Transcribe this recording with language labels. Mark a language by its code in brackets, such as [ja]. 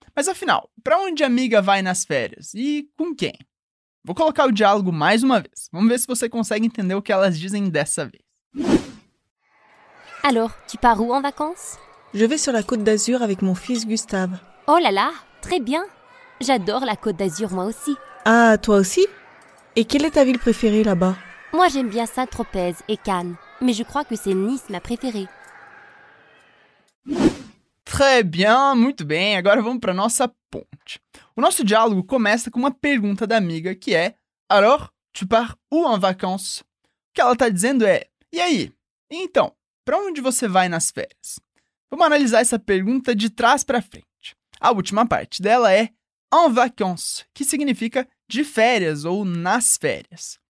[pt] Mas afinal, pra onde a amiga vai nas férias? E com quem? Vou colocar o diálogo mais uma vez. Vamos ver se você consegue entender o que elas dizem dessa vez. [fr] Alors, tu pars où en vacances? Je vais sur la Côte d'Azur avec mon fils Gustave. Oh là là, très bien. J'adore la Côte d'Azur moi aussi. Ah, toi aussi? Et quelle est ta ville préférée là-bas? Moi, j'aime bien Saint-Tropez et Cannes, mais je crois que c'est Nice ma préférée. Très bien, [pt] muito bem. Agora vamos para nossa ponte. O nosso diálogo começa com uma pergunta da amiga, que é [fr] Alors, tu pars où en vacances? [pt] O que ela está dizendo é E aí? Então, para onde você vai nas férias? Vamos analisar essa pergunta de trás para frente. A última parte dela é [fr] en vacances, [pt] que significa de férias ou nas férias.